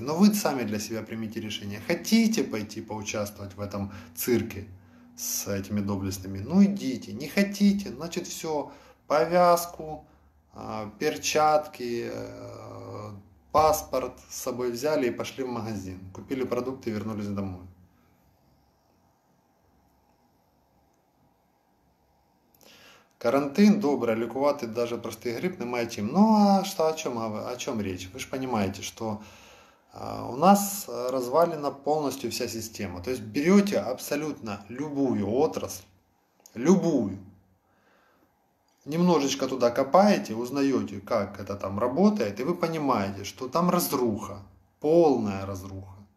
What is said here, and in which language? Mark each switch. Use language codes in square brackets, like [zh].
[ru] Но вы сами для себя примите решение. Хотите пойти поучаствовать в этом цирке с этими доблестными? Ну, идите. Не хотите, значит, все. Повязку, перчатки, паспорт с собой взяли и пошли в магазин. Купили продукты и вернулись домой. [uk] Карантин добрый, лікувати даже простий грип немає чим. [ru] Ну а что, о чем речь? Вы же понимаете, что у нас развалена полностью вся система. То есть берете абсолютно любую отрасль, любую. Немножечко туда копаете, узнаете, как это там работает, и вы понимаете, что там разруха, полная разруха.